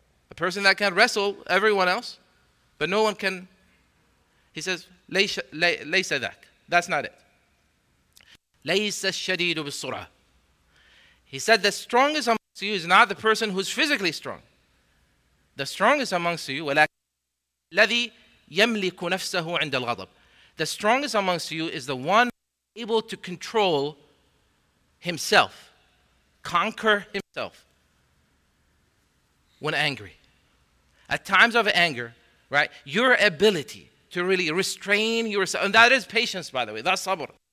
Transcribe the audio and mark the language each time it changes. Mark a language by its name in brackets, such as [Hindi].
[English] A person that can wrestle everyone else, but no one can. He says, [Arabic] laysa dhak. [English] That's not it. [Arabic] Laysa shadidu bisura. [English] He said, the strongest amongst you is not the person who's physically strong. The strongest amongst you, [Arabic] الذي يملك نفسه عند الغضب. [English] The strongest amongst you is the one able to control himself conquer himself when angry. At times of anger, right, your ability to really restrain yourself, and that is patience, by the way, that's sabr.